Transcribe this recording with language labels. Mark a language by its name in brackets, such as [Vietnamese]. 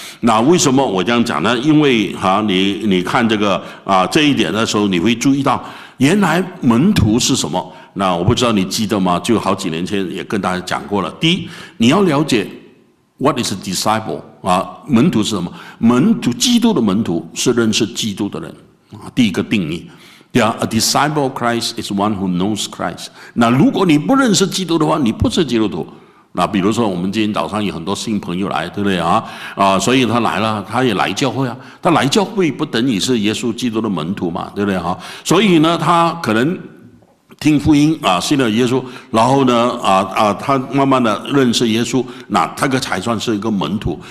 [Chinese] 那为什么我这样讲呢？因为你看这个这一点的时候，你会注意到原来门徒是什么。那我不知道你记得吗？就好几年前也跟大家讲过了。第一，你要了解 [English] what is a disciple [Chinese] 啊，门徒是什么？门徒，基督的门徒是认识基督的人啊，第一个定义。 [English] A disciple of Christ is one who knows Christ. [Chinese] 那如果你不认识基督的话，你不是基督徒。那比如说我们今天早上有很多新朋友来，对不对啊？所以他来了，他也来教会啊。他来教会不等于是耶稣基督的门徒嘛，对不对啊？所以呢，他可能听福音啊，信了耶稣，然后呢他慢慢的认识耶稣，那他个才算是一个门徒。